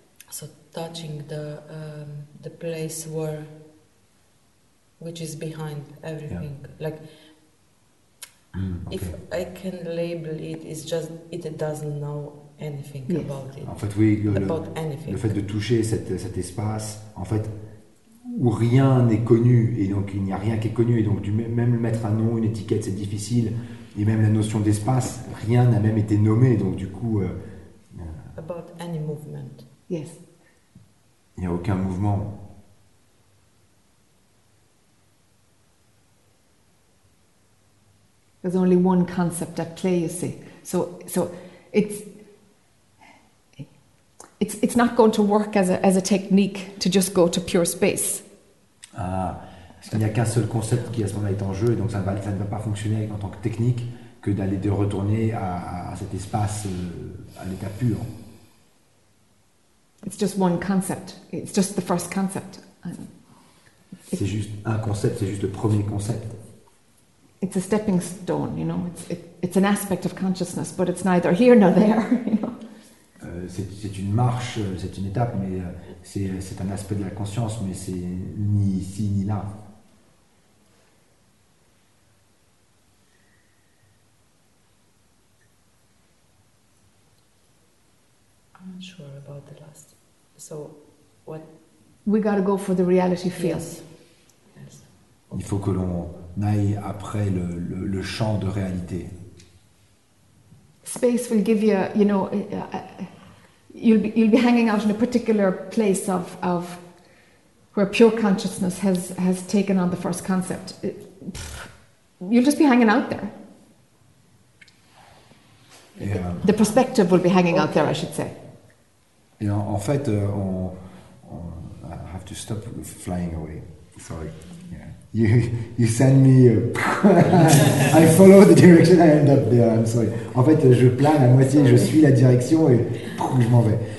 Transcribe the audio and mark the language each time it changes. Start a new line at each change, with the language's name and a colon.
English: So touching the place where, which is behind everything. Yeah. Like, okay. If I can label it, it's just, it doesn't know anything about it.
French: En fait, oui,
English: about anything.
French: Le fait de toucher cet espace, en fait, où rien n'est connu, et donc il n'y a rien qui est connu, et donc même mettre un nom, une étiquette, c'est difficile, et même la notion d'espace, rien n'a même été nommé, donc du coup...
English: About any movement. Yes.
French: Il n'y a aucun mouvement.
English: There's only one concept at play, you see. So it's not going to work as a technique to just go to pure space.
French: Ah, parce qu'il n'y a qu'un seul concept qui à ce moment-là est en jeu, donc ça ne va pas fonctionner en tant que technique que d'aller de retourner à cet espace à l'état pur.
English: It's just one concept. It's just the first concept.
French: C'est juste un concept. C'est juste le premier concept.
English: It's a stepping stone, you know. It's an aspect of consciousness, but it's neither here nor there, you know. C'est une marche, c'est une étape, mais c'est un aspect de la conscience, mais c'est ni ici ni là. I'm not sure about the last. So, what? We gotta go for the reality field. Yes. Yes.
French: Il faut que l'on aille après le champ de réalité.
English: Space will give you, you know. You'll be hanging out in a particular place of where pure consciousness has taken on the first concept. you'll just be hanging out there.
French: Et,
English: the perspective will be hanging out there, I should say.
French: Et en fait, on,
English: I have to stop flying away. Sorry. Yeah. You send me. I follow the direction, I end up there. I'm sorry.
French: En fait, je plane à moitié, je suis la direction et je m'en vais.